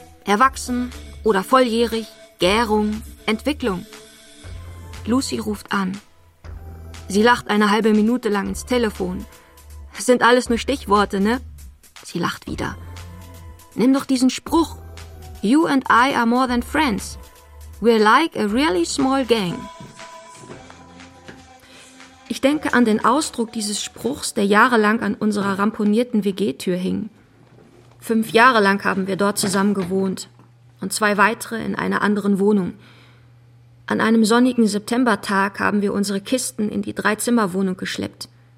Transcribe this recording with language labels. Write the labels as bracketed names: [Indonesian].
[German] Erwachsen oder volljährig. Gärung. Entwicklung. Lucy ruft an. Sie lacht eine halbe Minute lang ins Telefon. Das sind alles nur Stichworte, ne? Sie lacht wieder. Nimm doch diesen Spruch. [English] You and I are more than friends. We're like a really small gang. [German] Ich denke an den Ausdruck dieses Spruchs, der jahrelang an unserer ramponierten WG-Tür hing. 5 Jahre lang haben wir dort zusammen gewohnt. Und 2 weitere in einer anderen Wohnung. An einem sonnigen Septembertag haben wir unsere Kisten in die 3-Zimmer-Wohnung geschleppt.